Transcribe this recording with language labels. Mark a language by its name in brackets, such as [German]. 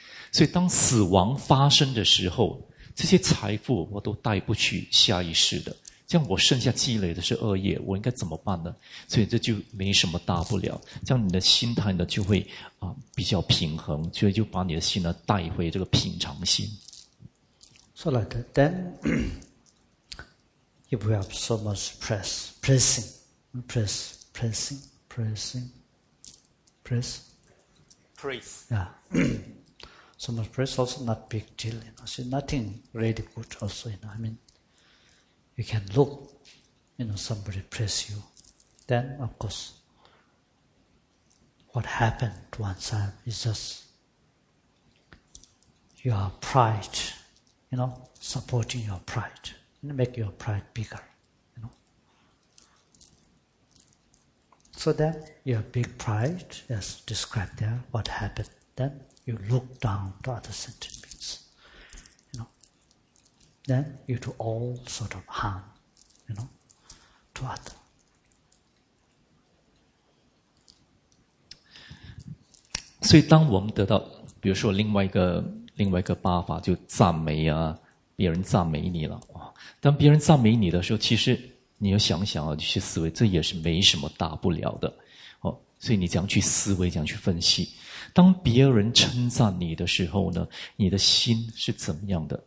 [Chinese] 所以当死亡发生的时候，这些财富我都带不去下一世的，像我剩下积累的是恶业，我应该怎么办呢？所以这就没什么大不了，这样你的心态呢就会啊比较平衡，所以就把你的心呢带回这个平常心。 [English] So like that, then if we have so much press. Yeah. So much press also not big deal, you know. So nothing really good also, you know. I mean, you can look, you know, somebody press you. Then, of course, what happened to oneself is just your pride. You know, supporting your pride, and make your pride bigger, you know. So then, your big pride, as described there, what happened, then you look down to other sentient beings, you know. Then you do all sort of harm, you know, to others. [Chinese] 所以当我们得到，比如说另外一个八法就赞美啊，别人赞美你了，当别人赞美你的时候，其实你要想想啊，去思维，这也是没什么大不了的，哦，所以你怎样去思维，怎样去分析，当别人称赞你的时候呢，你的心是怎么样的？